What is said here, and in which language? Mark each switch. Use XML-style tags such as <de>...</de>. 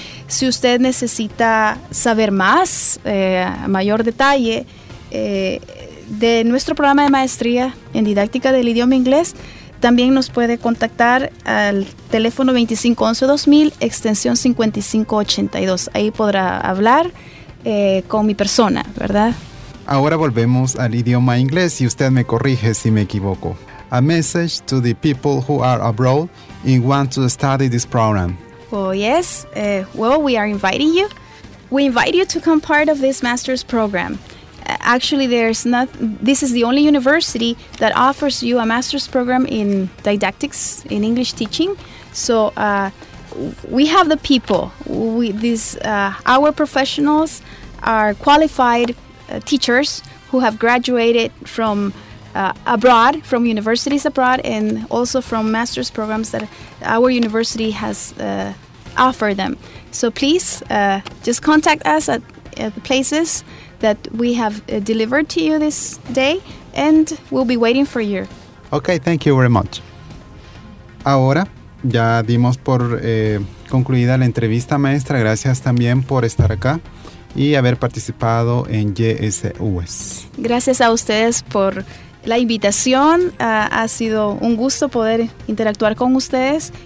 <es>Si usted necesita saber más, mayor detalle de nuestro programa de maestría en didáctica del idioma inglés, también nos puede contactar al teléfono 2511-2000, extensión 5582. Ahí podrá hablar con mi persona, ¿verdad? Ahora volvemos al idioma inglés y usted me corrige si me equivoco.</es> <en>A message to the people who are abroad and want to study this program. Well, yes. Well, we are inviting you. We invite you to become part of this master's program. Actually, this is the only university that offers you a master's program in didactics, in English teaching. So we have the people. Our professionals are qualified teachers who have graduated from abroad, from universities abroad, and also from master's programs that our university has offered them. So please just contact us at the places that we have delivered to you this day, and we'll be waiting for you. Okay, thank you very much.</en> <es>Ahora ya dimos por concluida la entrevista, maestra. Gracias también por estar acá y haber participado en YSUS. Gracias a ustedes por la invitación. Ha sido un gusto poder interactuar con ustedes.</es>